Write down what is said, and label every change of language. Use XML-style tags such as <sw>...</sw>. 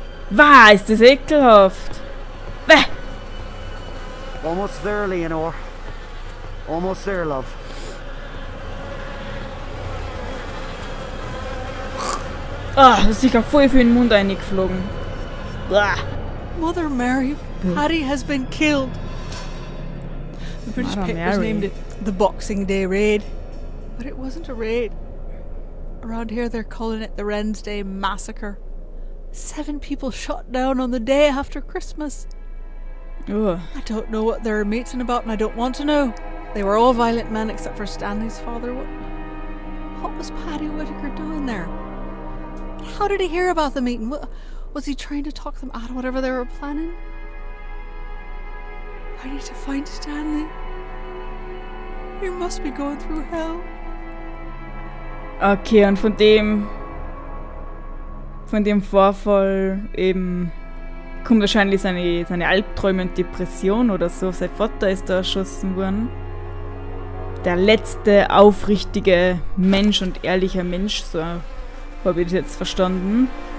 <de>Wow, ist das ekelhaft! Bäh!</de> <en>Almost there, Leonore. Almost there, love.</en> <de>Ah, das ist sicher voll für den Mund eingeflogen. Bäh!</de> <en>Mother Mary, Paddy has been killed. The British papers named it the Boxing Day Raid. But it wasn't a raid. Around here they're calling it the Wednesday Massacre. 7 people shot down on the day after Christmas. Ugh. I don't know what they're meeting about and I don't want to know. They were all violent men except for Stanley's father. What was Paddy Whittaker doing there? How did he hear about the meeting? Was he trying to talk them out of whatever they were planning? I need to find Stanley. He must be going through hell.</en> <de>Okay, und von dem Vorfall eben kommt wahrscheinlich seine Albträume und Depression oder so. Sein Vater ist da erschossen worden. Der letzte aufrichtige Mensch und ehrlicher Mensch, so habe ich das jetzt verstanden.</de>